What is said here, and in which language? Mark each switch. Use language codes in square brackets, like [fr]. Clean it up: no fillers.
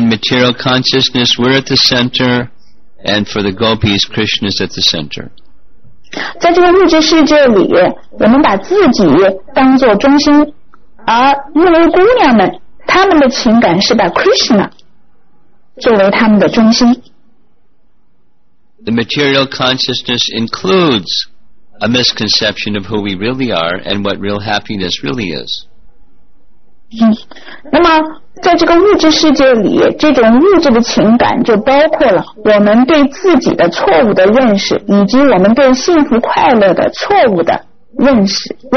[en] In material consciousness, we're at the center, and for the gopis, Krishna is at the center. [zh] 在这个物质世界里，我们把自己当作中心，而木楼姑娘们她们的情感是把 Krishna 作为她们的中心。 [en] The material consciousness includes a misconception of who we really are and what real happiness really is. [zh] 那么在这个物质世界里，这种物质的情感就包括了我们对自己的错误的认识，以及我们对幸福快乐的错误的认识。